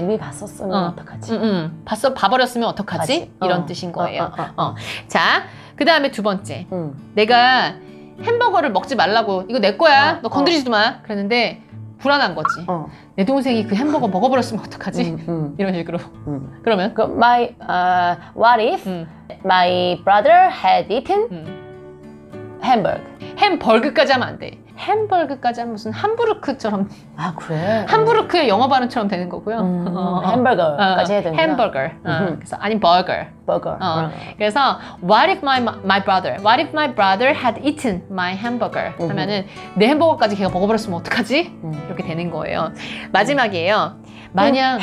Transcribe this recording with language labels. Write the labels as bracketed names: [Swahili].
[Korean] 이미 봤었으면 어떡하지? 봐버렸으면 어떡하지? 이런 뜻인 거예요. 자 그 다음에 두 번째 내가 햄버거를 먹지 말라고 이거 내 거야 너 건드리지도 마 그랬는데 불안한 거지 내 동생이 그 햄버거 먹어버렸으면 어떡하지? 이런 식으로 그러면 그 [English] my what if my brother had eaten hamburger. [Korean] 햄버거까지 하면 안 돼. 햄버거까지 하면 무슨 함부르크처럼. 아 그래. 함부르크의 영어 발음처럼 되는 거고요. 햄버거까지 해야 되나? 햄버거. 그래서 아니 버거. 버거. 그래서 [English] what if my brother what if my brother had eaten my hamburger [Korean] 하면은 내 햄버거까지 걔가 먹어버렸으면 어떡하지? 이렇게 되는 거예요. 마지막이에요. 만약